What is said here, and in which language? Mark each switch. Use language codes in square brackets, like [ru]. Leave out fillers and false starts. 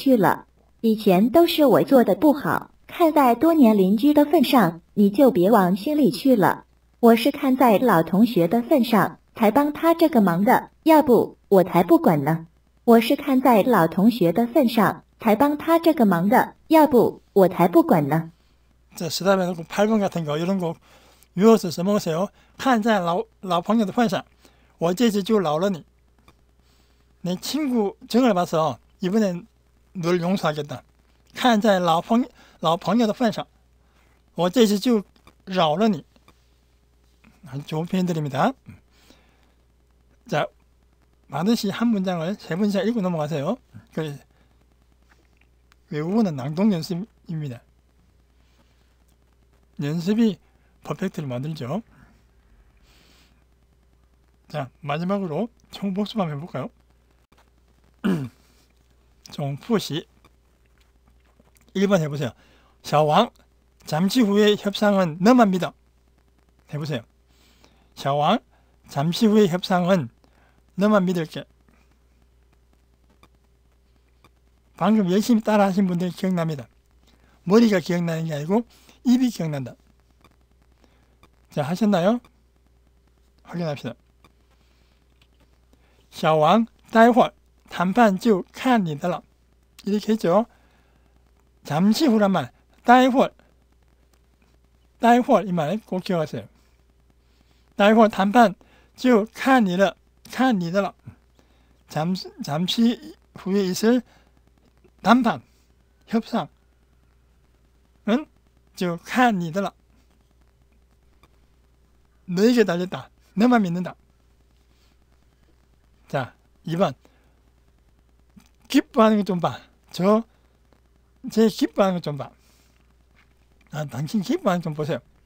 [zh] 看把你骄傲的看把你得意的看把你得意的看在老朋友的份上我这次就饶了你看在老朋友的份上我这次就饶了你以前都是我做的不好看在多年邻居的份上你就别往心里去了以前都是我做的不好 看在多年邻居的份上，你就别往心里去了。我是看在老同学的份上才帮他这个忙的，要不我才不管呢。我是看在老同学的份上才帮他这个忙的，要不我才不管呢。 [ko] 자, 스탑에 놓고 8번 같은 거 이런 거 유어서 써먹으세요. [zh] 看在老朋友的份上，我这次就饶了你。 [ko] 내 친구 정을 봐서 이번엔 널 용서하겠다. [zh] 看在老朋友的份上 我这次就饶了你 [ko] 아주 좋은 표현들입니다. 자, 반드시 한 문장을 세 문장 읽고 넘어가세요. 외우는 낭독 연습입니다. 연습이 퍼펙트를 만들죠. 자, 마지막으로 총복습 한번 해볼까요? 총복습 1번 해보세요. 샤왕, 잠시 후에 협상은 너만 믿어. 해보세요. 샤왕, 잠시 후에 협상은 너만 믿을게. 방금 열심히 따라 하신 분들 기억납니다. 머리가 기억나는 게 아니고 입이 기억난다. 자, 하셨나요? 확인합시다. [zh] 샤왕, 待会儿, 谈判就看你的了. [ko] 이렇게 했죠. 잠시 후란 말, [zh] 待会儿, 待会儿 [ko] 이 말 꼭 기억하세요. [zh] 待会儿 谈判就看你的了, [ko] 잠시 후에 있을 담판, 협상은 [zh] 就看你的了. [ko] 너에게 달렸다, 너만 믿는다. 자, 2번, 기뻐하는 게 좀 봐. 저 제 기뻐하는 거 좀 봐. 아, 당신 기뻐하는 거 좀 보세요.